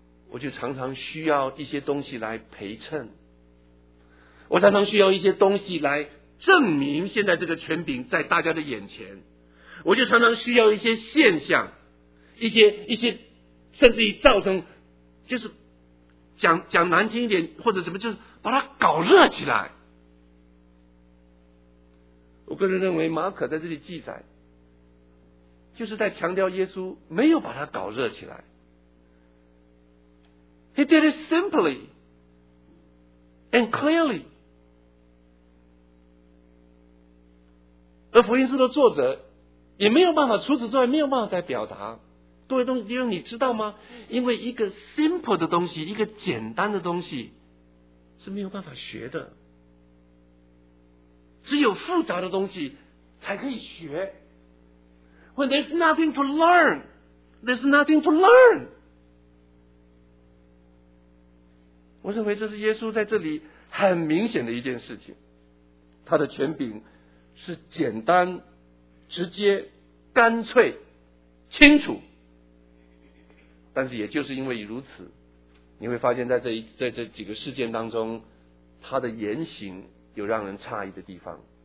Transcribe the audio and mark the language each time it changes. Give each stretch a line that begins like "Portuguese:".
Chinese: 我就常常需要一些东西来陪衬，我常常需要一些东西来证明现在这个权柄在大家的眼前，我就常常需要一些现象，一些甚至于造成，就是讲难听一点或者什么，就是把它搞热起来。我个人认为马可在这里记载就是在强调耶稣没有把它搞热起来。
English: He did it simply and clearly。
Chinese: 而福音书的作者也没有办法，除此之外没有办法再表达。各位弟兄，你知道吗？因为一个 simple 的东西，一个简单的东西是没有办法学的，只有复杂的东西才可以学。
English: When there's nothing to learn, there's nothing to learn。
Chinese: 我认为这是耶稣在这里很明显的一件事情，他的权柄是简单、直接、干脆、清楚。但是也就是因为如此，你会发现在这几个事件当中，他的言行有让人诧异的地方。